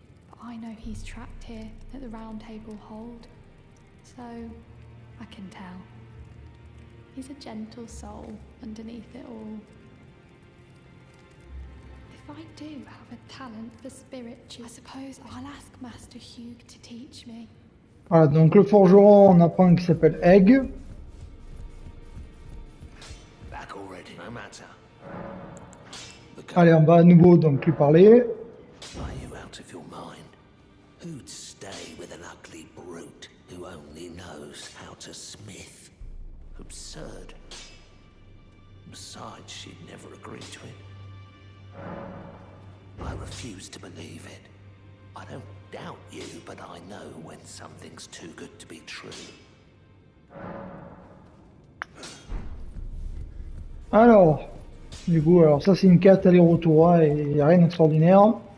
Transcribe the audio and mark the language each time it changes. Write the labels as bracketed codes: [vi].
[en] But I know he's trapped here at the Round Table Hold, so I can tell. He's a gentle soul underneath it all. I do have a talent for spiritual. I suppose I'll ask Master Hugh to teach me. [fr] Voilà, donc le forgeron, on apprend qu'il s'appelle Egg. [en] Back already. No matter. [fr] Allez, on va à nouveau donc lui parler. [en] Are you out of your mind? Who'd stay with an ugly brute who only knows how to smith? Absurd. Besides, she'd never agree to it. I refuse to believe it. I don't doubt you, but I know when something's too good to be true. [fr] Alors, du coup, alors ça c'est une carte aller-retour, hein, et y a rien d'extraordinaire.